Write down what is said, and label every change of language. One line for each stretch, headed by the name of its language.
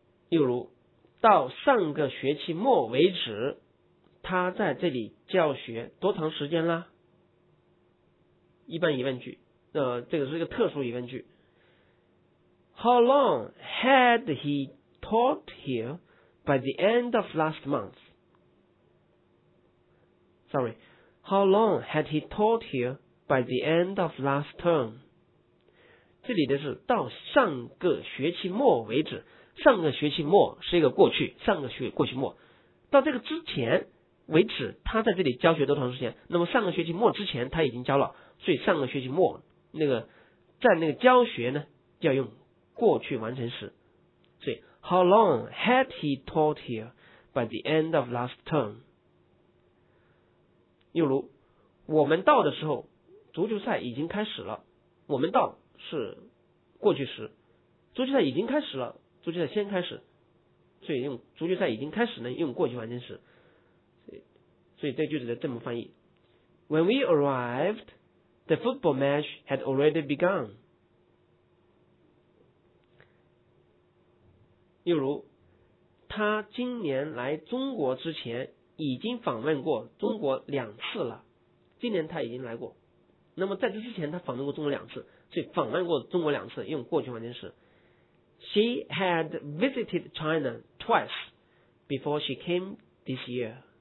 Chinese: 又如到上个学期末为止他在这里教学多长时间了，一般疑问句，这个是一个特殊疑问句。
English: How long had he taught here by the end of last month? Sorry, how long had he taught here by the end of last term?
Chinese: 这里的是到上个学期末为止，上个学期末是一个过去，上个学过去末，到这个之前为止他在这里教学多长时间，那么上个学期末之前他已经教了，所以上个学期末那个在那个教学呢就要用过去完成时。
English: 所以 How long had he taught here by the end of last term?
Chinese: 又如我们到的时候足球赛已经开始了，我们到是过去时，足球赛已经开始了，足球赛先开始，所以用足球赛已经开始呢用过去完成时。
English: 所以这句子的这么翻译， When we arrived the football match had already begun。
Chinese: 例如他今年来中国之前已经访问过中国2次了，今年他已经来过，那么在这之前他访问过中国2次，所以访问过中国2次用过去完成时。
English: She had visited China 2次 before she came this year.